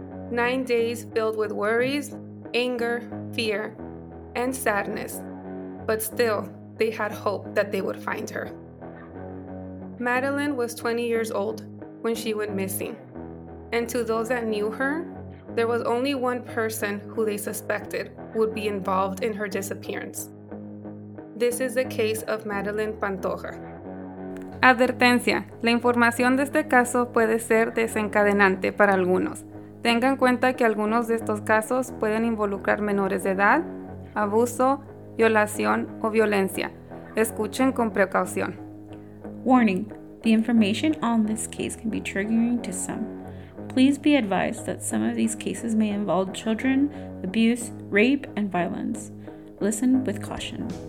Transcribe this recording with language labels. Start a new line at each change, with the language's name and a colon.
English: 9 days filled with worries, anger, fear, and sadness, but still they had hope that they would find her. Madeline was 20 years old when she went missing, and to those that knew her, there was only one person who they suspected would be involved in her disappearance. This is the case of Madeline Pantoja.
Spanish: Advertencia, la información de este caso puede ser desencadenante para algunos. Tenga en cuenta que algunos de estos casos pueden involucrar menores de edad, abuso, violación o violencia. Escuchen con precaución.
English: Warning, the information on this case can be triggering to some. Please be advised that some of these cases may involve children, abuse, rape, and violence. Listen with caution.